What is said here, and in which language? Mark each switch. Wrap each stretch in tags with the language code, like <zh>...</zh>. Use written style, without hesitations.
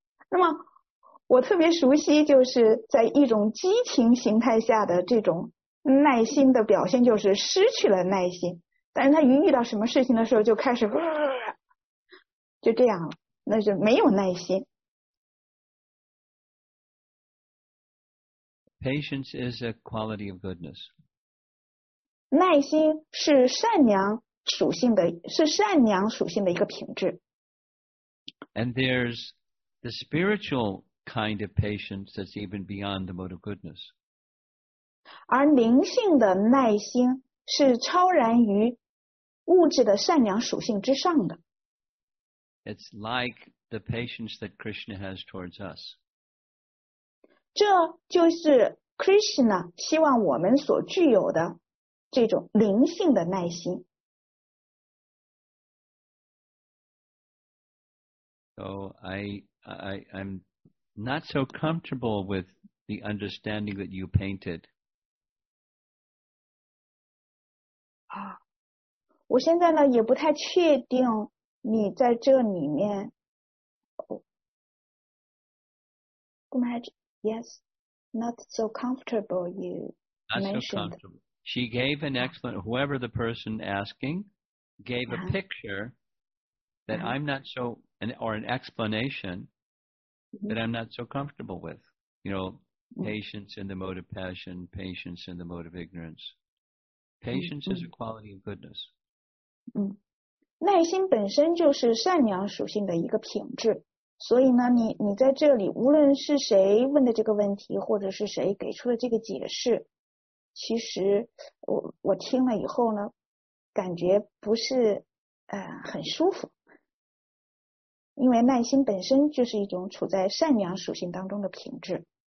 <zh>那么我特别熟悉就是在一种激情形态下的这种耐心的表现，就是失去了耐心，但是他一遇到什么事情的时候就开始就这样了，那就没有耐心。</zh> <en>Patience is a quality of goodness.</en> <zh>耐心是善良属性的，是善良属性的一个品质。</zh> <en>And there's the spiritual kind of patience that's even beyond the mode of goodness.</en> <zh>而灵性的耐心是超然于物质的善良属性之上的。</zh> <en>It's like the patience that Krishna has towards us.</en> <zh>这就是 Krishna 希望我们所具有的这种灵性的耐心。</zh> <en>So I'm not so comfortable with the understanding that you painted.</en> <zh>我现在呢也不太确定你在这里面。</zh> <en>Yes, not so comfortable you mentioned. Not so comfortable. She gave an excellent, whoever the person asking, gave a picture that I'm not so, or an explanation that I'm not so comfortable with. You know, patience in the mode of passion, patience in the mode of ignorance. Patience is a quality of goodness.</en> <zh>耐心本身就是善良属性的一个品质。所以呢，你在这里，无论是谁问的这个问题，或者是谁给出的这个解释，其实我听了以后呢，感觉不是很舒服，因为耐心本身就是一种处在善良属性当中的品质。</zh>